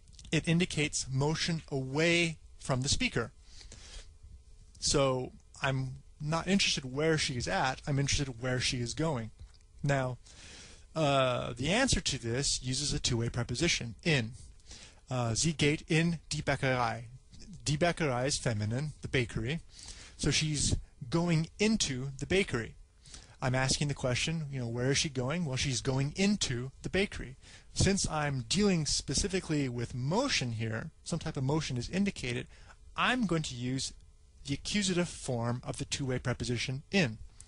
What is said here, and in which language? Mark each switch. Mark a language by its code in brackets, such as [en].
[en] It indicates motion away from the speaker. So, I'm not interested where she is at, I'm interested where she is going. Now, the answer to this uses a two-way preposition, in. [de] Sie geht in die Bäckerei. Die Bäckerei [en] is feminine, the bakery. So she's going into the bakery. I'm asking the question, you know, where is she going? Well, she's going into the bakery. Since I'm dealing specifically with motion here, some type of motion is indicated, I'm going to use the accusative form of the two-way preposition in.